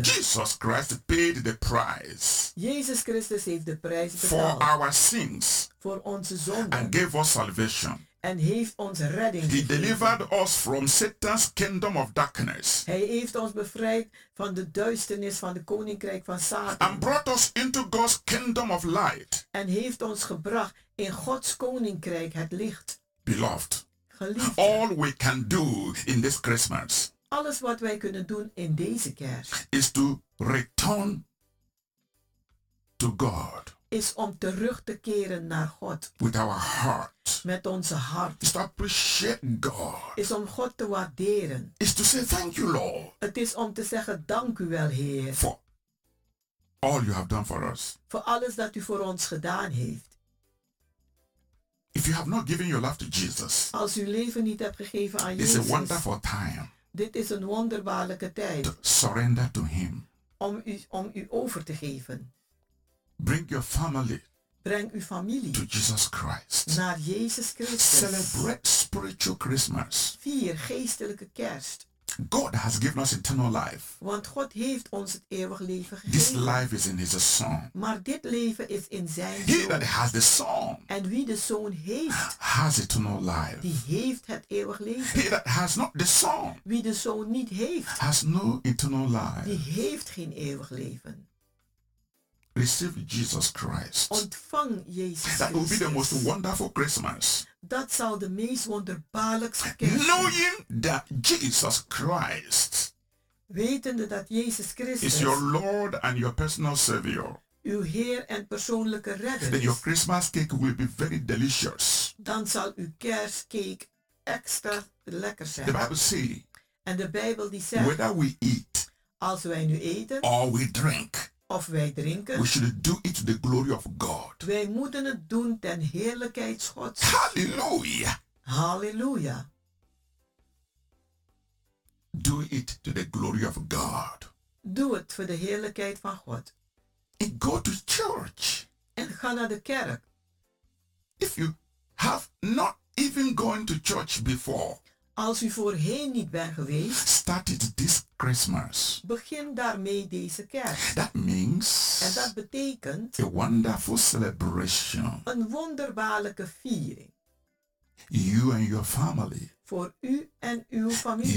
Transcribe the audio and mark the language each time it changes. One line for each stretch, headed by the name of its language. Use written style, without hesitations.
English: Jesus Christ paid the price.
Dutch: Jezus Christus heeft de prijs betaald.
English: For our sins.
Dutch: Voor onze zonden.
English: And gave us salvation.
Dutch: En heeft ons redding
English: He
Dutch: gegeven.
English: Delivered us from Satan's kingdom of darkness.
Dutch: Hij heeft ons bevrijd van de duisternis van de koninkrijk van Satan.
English: And brought us into God's kingdom of light.
Dutch: En heeft ons gebracht in Gods koninkrijk het licht.
English: Beloved.
Dutch: Geliefde.
English: All we can do in this Christmas.
Dutch: Alles wat wij kunnen doen in deze kerst.
English: Is to return to God.
Dutch: Is om terug te keren naar God.
English: With our heart.
Dutch: Met onze hart.
English: Is to appreciate God.
Dutch: Is om God te waarderen.
English: Is to say thank you Lord.
Dutch: Het is om te zeggen dank u wel Heer.
English: For all you have done for us.
Dutch: Voor alles dat u voor ons gedaan heeft.
English: If you have not given your life to Jesus.
Dutch: Als u leven niet hebt gegeven aan Jezus.
English: This is a wonderful time.
Dutch: Dit is een wonderbaarlijke tijd.
English: To surrender to him.
Dutch: Om u over te geven.
English: Bring your family.
Dutch: Breng uw familie.
English: To Jesus Christ.
Dutch: Naar Jezus Christus.
English: Celebrate spiritual Christmas.
Dutch: Vier geestelijke kerst.
English: God has given us eternal life.
Dutch: Want God heeft ons het eeuwig leven gegeven.
English: This life is in his son.
Dutch: Maar dit leven is in zijn zoon.
English: He that has the son.
Dutch: En wie de zoon heeft.
English: Has eternal life.
Dutch: Die heeft het eeuwig leven.
English: He that has not the son.
Dutch: Wie de zoon niet heeft.
English: Has no eternal life.
Dutch: Die heeft geen eeuwig leven.
English: Receive Jesus Christ.
Dutch: Ontvang Jezus Christus.
English: That will be the most wonderful Christmas.
Dutch: Dat zal de meest wonderbaarlijkste kerst zijn.
English: Knowing that Jesus Christ.
Dutch: Wetende dat Jezus Christus.
English: Is your Lord and your personal Savior.
Dutch: Uw Heer en persoonlijke Redder.
English: Then your Christmas cake will be very delicious.
Dutch: Dan zal uw kerstcake extra lekker zijn.
English: The Bible say.
Dutch: En de Bijbel die zegt.
English: Whether we eat.
Dutch: Als wij nu eten.
English: Or we drink.
Dutch: Of wij drinken.
English: We should do it to the glory of God.
Dutch: Wij moeten het doen ten heerlijkheid Gods.
English: Halleluja.
Dutch: Halleluja.
English: Do it to the glory of God.
Dutch: Doe het voor de heerlijkheid van God.
English: And go to church.
Dutch: En ga naar de kerk.
English: If you have not even gone to church before.
Dutch: Als u voorheen niet bent geweest.
English: Start it this Christmas.
Dutch: Begin daarmee deze kerst.
English: That means.
Dutch: En dat betekent.
English: A wonderful celebration.
Dutch: Een wonderbaarlijke viering.
English: You and your family.
Dutch: Voor u en uw familie.